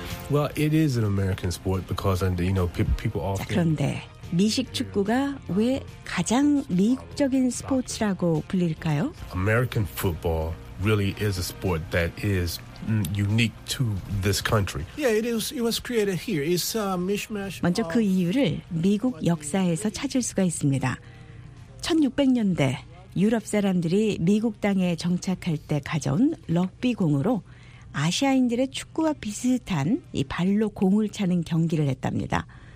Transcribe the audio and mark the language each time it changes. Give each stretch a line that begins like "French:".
English: Well, it is an American sport because and you know people often.
Korean: 자, 그런데 미식축구가 왜 가장 미국적인 스포츠라고 불릴까요?
English: American football really is a sport that is unique to this country. Yeah, it was created here. It's a mishmash.
Korean: 먼저 그 이유를 미국 역사에서 찾을 수가 있습니다. 1600년대 유럽 사람들이 미국 땅에 정착할 때 가져온 럭비공으로 아시아인들의 축구와 비슷한 이 발로 공을 차는 경기를 했답니다.